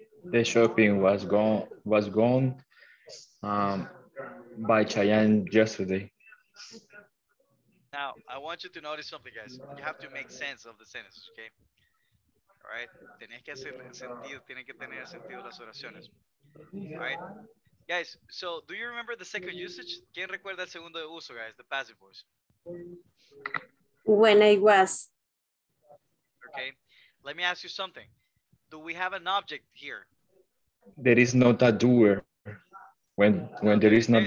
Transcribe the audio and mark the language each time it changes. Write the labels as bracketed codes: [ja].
[en] The shopping was gone by Chayanne yesterday. Now, I want you to notice something, guys. You have to make sense of the sentence, okay? All right. [es] Tienes que hacer sentido, tiene que tener sentido las oraciones. [en] All right, guys, so do you remember the second usage? [es] ¿Quién recuerda el segundo uso, guys, [en] the passive voice? When I was. Okay, let me ask you something. Do we have an object here? There is not a doer. When there is not